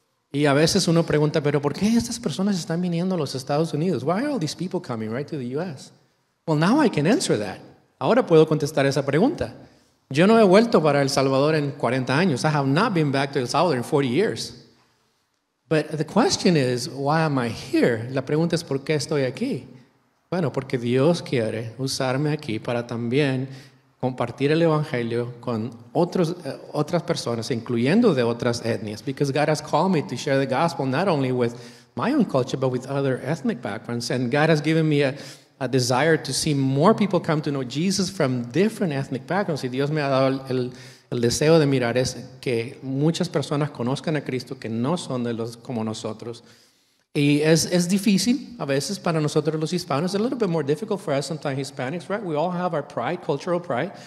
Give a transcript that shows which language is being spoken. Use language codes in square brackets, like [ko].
[es] Y a veces uno pregunta, pero ¿por qué estas personas están viniendo a los Estados Unidos? [en] Why are all these people coming right to the U.S.? Well, now I can answer that. [es] Ahora puedo contestar esa pregunta. Yo no he vuelto para El Salvador en 40 años. [en] I have not been back to El Salvador in 40 years. But the question is, why am I here? [es] La pregunta es, ¿por qué estoy aquí? Bueno, porque Dios quiere usarme aquí para también compartir el evangelio con otros, otras personas, incluyendo de otras etnias. [en] Because God has called me to share the gospel not only with my own culture, but with other ethnic backgrounds. And God has given me a desire to see more people come to know Jesus from different ethnic backgrounds. [es] Y Dios me ha dado el deseo de mirar es que muchas personas conozcan a Cristo que no son de los como nosotros. Y es difícil a veces para nosotros los hispanos. [en] It's a little bit more difficult for us sometimes Hispanics, right? We all have our pride, cultural pride.